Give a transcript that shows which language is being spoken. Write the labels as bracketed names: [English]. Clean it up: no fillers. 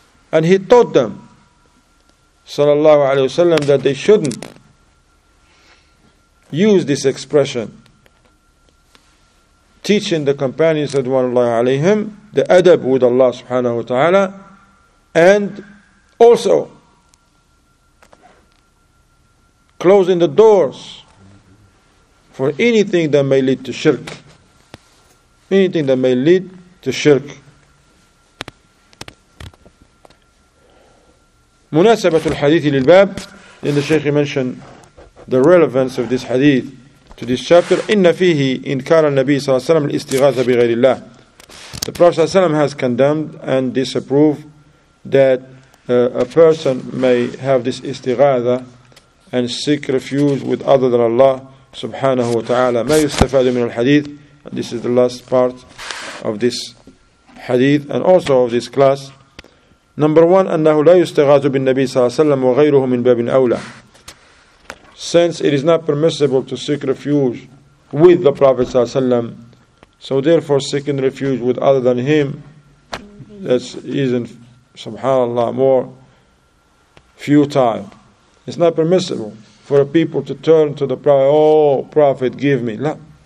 [English] And he taught them, sallallahu alayhi wa sallam, that they shouldn't use this expression, teaching the companions of one Allah alayhim the adab with Allah subhanahu wa ta'ala, and also closing the doors for anything that may lead to shirk. Anything that may lead to shirk. [Arabic] مناسبة الحديث للباب. [English] In the Sheikh, he mentioned the relevance of this hadith to this chapter. [Arabic] إن فيه إنكار النبي صلى الله عليه وسلم الاستغاثة بغير الله. [English] The Prophet ﷺ has condemned and disapproved that a person may have this istighatha and seek refuge with other than Allah subhanahu wa ta'ala. [Arabic] ما يستفاد من الحديث. [English] This is the last part of this hadith and also of this class. Number one, [Arabic] أنه لا يستغاث بالنبي صلى الله عليه وسلم وغيره من باب أولى. [English] Since it is not permissible to seek refuge with the Prophet صلى الله عليه وسلم, so therefore seeking refuge with other than him, that's even, subhanAllah, more futile. It's not permissible for a people to turn to the Prophet, oh Prophet, give me. No.